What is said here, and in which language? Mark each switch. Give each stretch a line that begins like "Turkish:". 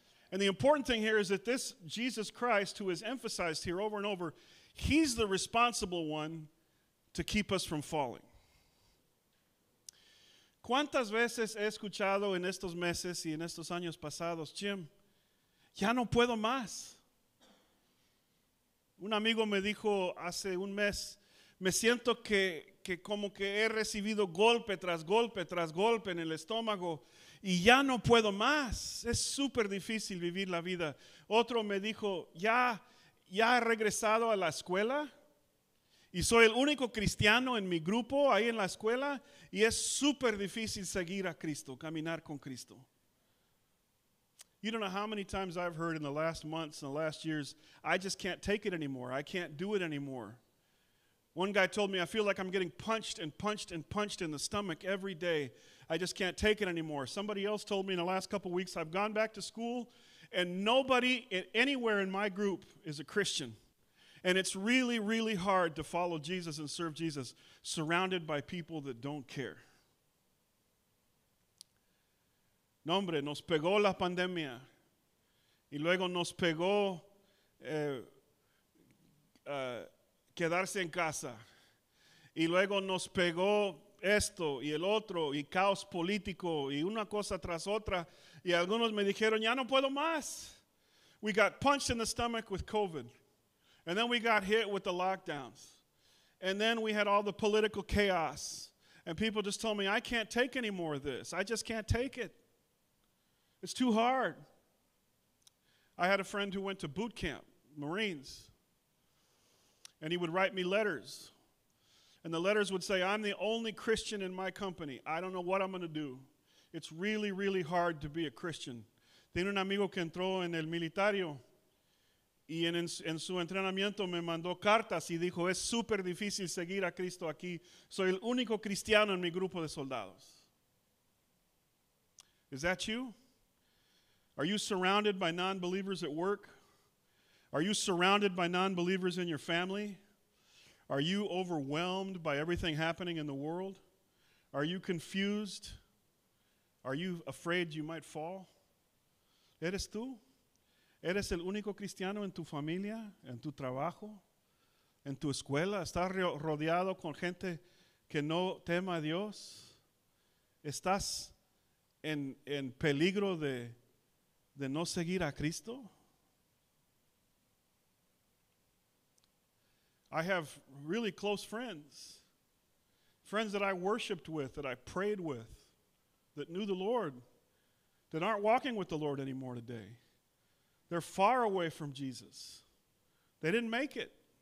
English: And the important thing here is that this Jesus Christ, who is emphasized here over and over, he's the responsible one to keep us from falling.
Spanish: ¿Cuántas veces he escuchado en estos meses y en estos años pasados, Jim, ya no puedo más? Un amigo me dijo hace un mes, me siento que como que he recibido golpe tras golpe tras golpe en el estómago y ya no puedo más. Es súper difícil vivir la vida. Otro me dijo, ya he regresado a la escuela y soy el único cristiano en mi grupo ahí en la escuela y es súper difícil seguir a Cristo, caminar con Cristo.
English: You don't know how many times I've heard in the last months and the last years, I just can't take it anymore. I can't do it anymore. One guy told me, I feel like I'm getting punched and punched and punched in the stomach every day. I just can't take it anymore. Somebody else told me in the last couple weeks, I've gone back to school and nobody anywhere in my group is a Christian. And it's really, really hard to follow Jesus and serve Jesus surrounded by people that don't care.
Spanish: No, hombre, nos pegó la pandemia. Y luego nos pegó quedarse en casa. Y luego nos pegó esto y el otro y caos político y una cosa tras otra. Y algunos me dijeron, ya no puedo más.
English: We got punched in the stomach with COVID. And then we got hit with the lockdowns. And then we had all the political chaos. And people just told me, I can't take any more of this. I just can't take it. It's too hard. I had a friend who went to boot camp, Marines, and he would write me letters. And the letters would say, I'm the only Christian in my company. I don't know what I'm going to do. It's really, really hard to be a Christian.
Spanish: Tiene un amigo que entró en el militario y en su entrenamiento me mandó cartas y dijo, es súper difícil seguir a Cristo aquí. Soy el único cristiano en mi grupo de soldados.
English: Is that you? Are you surrounded by non-believers at work? Are you surrounded by non-believers in your family? Are you overwhelmed by everything happening in the world? Are you confused? Are you afraid you might fall?
Spanish: ¿Eres tú? ¿Eres el único cristiano en tu familia, en tu trabajo, en tu escuela? ¿Estás rodeado con gente que no teme a Dios? ¿Estás en peligro de no seguir a Cristo?
English: I have really close friends that I worshiped with, that I prayed with, that knew the Lord, that aren't walking with the Lord anymore today. They're far away from Jesus. They didn't make it.